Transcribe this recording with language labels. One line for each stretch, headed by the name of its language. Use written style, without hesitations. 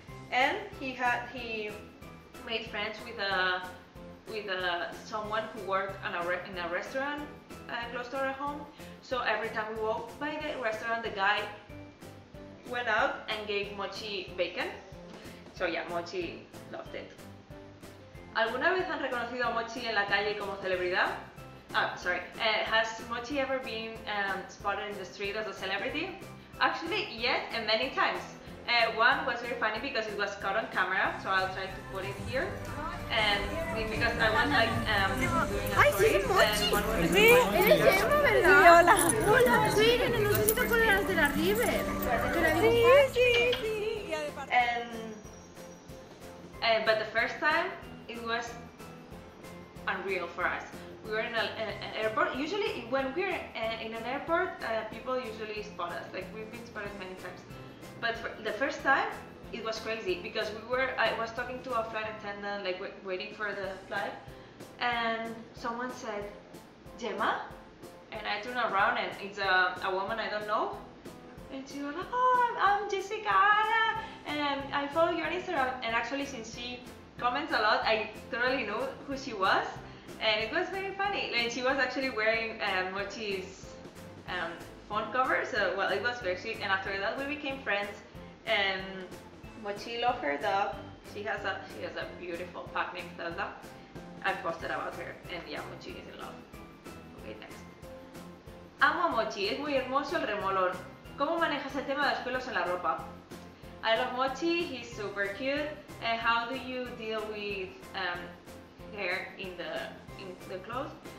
English: And he made friends with someone who worked in a restaurant close to our home. So every time we walked by the restaurant, the guy went out and gave Mochi bacon. So yeah, Mochi loved it.
Spanish: ¿Alguna vez han reconocido a Mochi en la calle como celebridad?
English: Has Mochi ever been spotted in the street as a celebrity? Actually, yes, and many times. One was very funny because it was caught on camera, so I'll try to put it here. And because I was like doing a story.
Spanish: Ay, sí, es Mochi. Sí, eres Gemma, ¿verdad? Sí, hola. Hola, sí, no necesito colores de la River. Sí, sí, sí.
English: But the first time, it was unreal for us. We were in an airport. Usually, when we're in an airport, people usually spot us. Like, we've been spotted many times. But for the first time, it was crazy because I was talking to a flight attendant, like waiting for the flight, and someone said, "Gemma?" And I turned around and it's a woman I don't know. And she was like, "Oh, I'm Jessica Ara, and I follow you on Instagram." And actually, since she comments a lot, I totally knew who she was. And it was very funny. And she was actually wearing Mochi's phone cover, so well, it was very sweet. And after that, we became friends. And Mochi loved her dog. She has a beautiful pug named Zelda. I posted about her, and yeah, Mochi is in love. Okay, next.
Spanish: Amo a Mochi. Es muy hermoso el remolón. ¿Cómo manejas el tema de los pelos en la ropa?
English: I love Mochi. He's super cute. And how do you deal with hair in the clothes?